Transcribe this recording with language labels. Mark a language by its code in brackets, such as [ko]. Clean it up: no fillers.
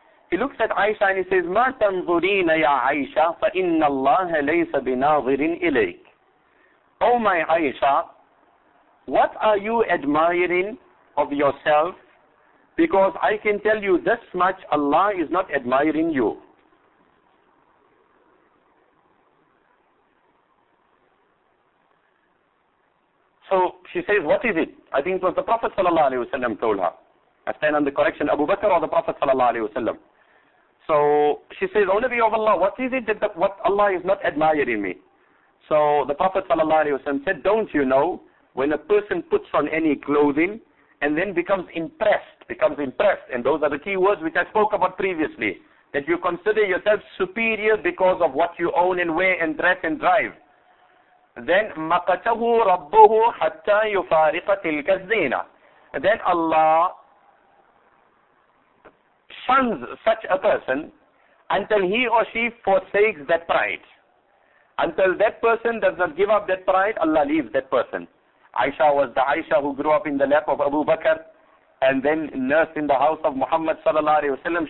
[en] He looks at Aisha and he says, [ar] مَا تَنْظُرِينَ يَا عَيْشَ فَإِنَّ اللَّهَ لَيْسَ بِنَاظِرٍ إِلَيْكَ. [en] Oh my Aisha, what are you admiring of yourself? Because I can tell you this much, Allah is not admiring you. So she says, what is it? I think it was the Prophet sallallahu alayhi wa sallam told her. I stand on the correction, Abu Bakr or the Prophet sallallahu alayhi wa sallam. So she says, O Nabi of Allah, what is it that what Allah is not admiring me? So the Prophet ﷺ said, don't you know when a person puts on any clothing and then becomes impressed, and those are the key words which I spoke about previously, that you consider yourself superior because of what you own and wear and dress and drive. [ar] Then مَقَتَهُ رَبُّهُ حَتَّى يُفَارِقَ تِلْكَ الزِّينَةَ. [en] Then Allah shuns such a person until he or she forsakes that pride. Until that person does not give up that pride, Allah leaves that person. Aisha was the Aisha who grew up in the lap of Abu Bakr and then nursed in the house of Muhammad sallallahu alayhi wa sallam.